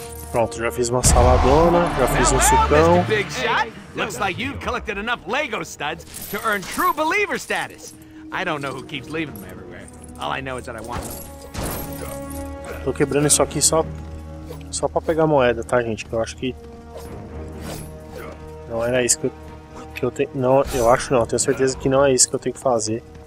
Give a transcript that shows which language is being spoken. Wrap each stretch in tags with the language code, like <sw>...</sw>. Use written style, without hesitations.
<pt>Pronto, já fiz uma saladona, já fiz um sucão.</pt> <en>Looks like you've collected enough Lego studs to earn true believer status. I don't know who keeps leaving them everywhere. All I know is that I want them.</en> <pt>Tô quebrando isso aqui só pra pegar moeda, tá, gente? Eu acho que não era isso que eu tenho certeza que não é isso que eu tenho que fazer.</pt>